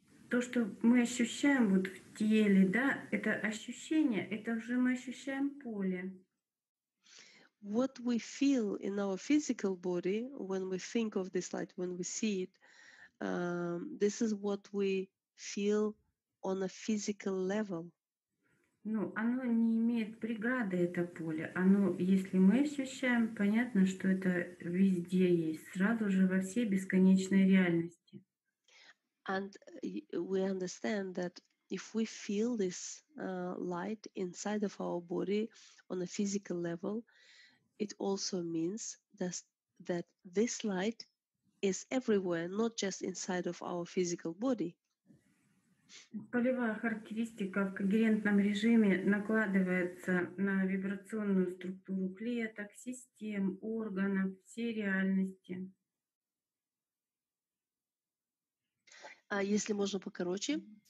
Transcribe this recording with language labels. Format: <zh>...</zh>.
<ru>То, что мы ощущаем вот в теле, да, это ощущение, это уже мы ощущаем поле.</ru> <en>What we feel in our physical body when we think of this light, when we see it, this is what we feel on a physical level.</en> <ru>Ну, оно не имеет преграды, это поле. Оно, если мы ощущаем, понятно, что это везде есть, сразу же во всей бесконечной реальности.</ru> <en>And we understand that if we feel this light inside of our body on a physical level, it also means that this light is everywhere, not just inside of our physical body.</en> <ru>Полевая характеристика в когерентном режиме накладывается на вибрационную структуру клеток, систем, органов, всей реальности. А если можно покороче?</ru>